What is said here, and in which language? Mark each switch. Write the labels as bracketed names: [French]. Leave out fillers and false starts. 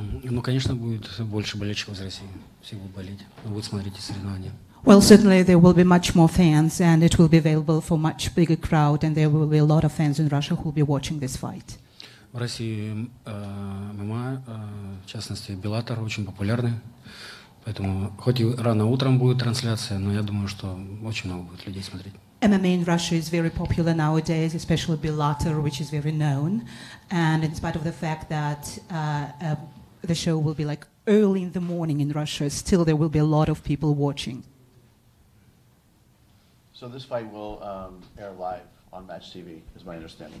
[Russian] Ну, конечно, будет больше болельщиков из России. Все будут болеть. Но будут смотреть соревнования. [English] Well, certainly there will be much more fans, and it will be available for much bigger crowd, and there will be a lot of fans in Russia who will be watching this fight. [Russian] В России ММА, в частности, Беллатор очень популярны. Поэтому хоть и рано утром будет трансляция, но я думаю, что очень много будет людей смотреть. [English] MMA in Russia is very popular nowadays, especially Bellator, which is very known. And in spite of the fact that the show will be like early in the morning in Russia, still there will be a lot of people watching. So this fight will air live on Match TV, is my understanding.